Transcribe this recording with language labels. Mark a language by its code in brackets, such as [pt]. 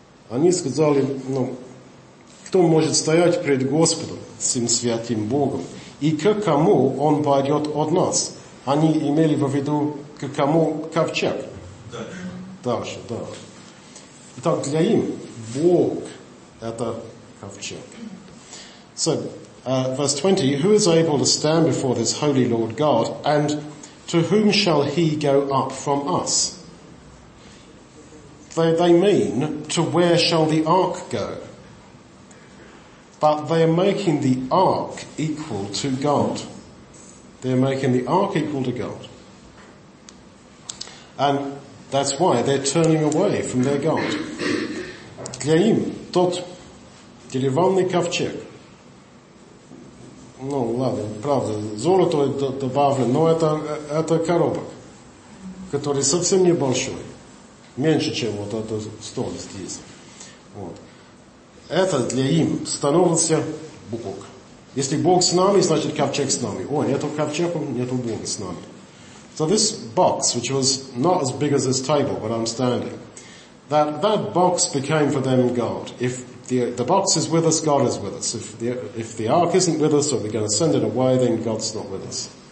[ru] Они сказали, ну, кто может стоять пред Господом, всем святым Богом, и к кому он пойдет от нас? Они имели в виду, к кому ковчег. Дальше. Дальше, да. Итак, для им Бог это ковчег. [en] So, verse 20, who is able to stand before this holy Lord God, and to whom shall he go up from us? They mean, to where shall the ark go? But they are making the ark equal to God. They are making the ark equal to God. And that's why they're turning away from their God. [ru] Для им тот деревянный ковчег. Ну, ладно, правда, золото добавлено, но это коробок, который совсем небольшой. Меньше, чем вот этот стол здесь. Вот. Это для им становится Бог. Если Бог с нами, значит ковчег с нами. Ой, нету ковчега, нету Бога с нами. [en] So this box, which was not as big as this table where I'm standing, that box became for them God. If the box is with us, God is with us. If the ark isn't with us, or we're going to send it away, then God's not with us.